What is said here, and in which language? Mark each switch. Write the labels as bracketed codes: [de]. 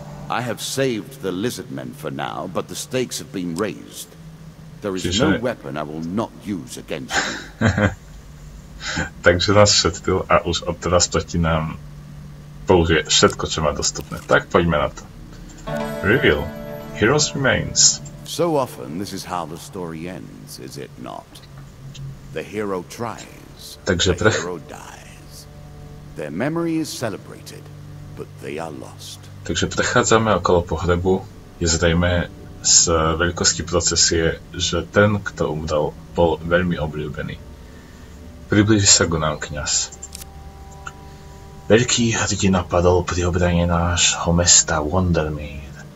[en] I have saved the lizard men for now, but the stakes have been raised. There is no weapon I will not use against you. [sk] Takže nás šetril a už odteraz proti nám použije všetko, čo má dostupné. Tak poďme na to. Reveal. Heroes remains. [en] So often this is how the story ends, is it not? The hero tries. [sk] Takže [en] the hero dies. Their memory is celebrated. But they are lost. [sk] Takže prechádzame okolo pohrebu. Je zrejme z veľkosti procesie, že ten, kto umdal, bol veľmi obľúbený. Priblíži sa k nám kňaz. Veľký hrdina padol pri obrane nášho mesta Wondermere.